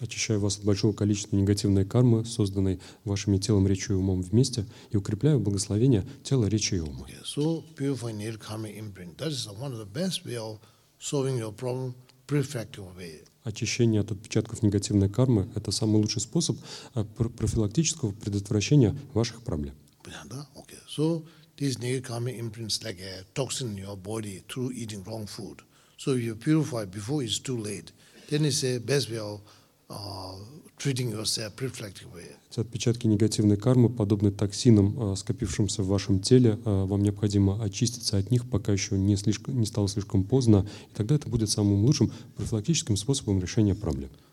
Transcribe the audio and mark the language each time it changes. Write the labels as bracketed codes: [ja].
[ru] Очищаю вас от большого количества негативной кармы, созданной вашими телом, речью и умом вместе, и укрепляю благословение тела, речи и ума. [en] So purify your karmic imprint. That is one of the best way of solving your problem prophylactically way. [ru] Очищение от отпечатков негативной кармы – это самый лучший способ профилактического предотвращения ваших проблем. Понятно? Okay. [en] So these negative karmic imprints like a toxin in your body through eating wrong food. So you purify before it's too late. Then it's the best way of treating yourself prophylactically. [ru] Эти отпечатки негативной кармы, подобны токсинам, скопившимся в вашем теле, вам необходимо очиститься от них, пока еще не стало слишком поздно. И тогда это будет самым лучшим профилактическим способом решения проблем.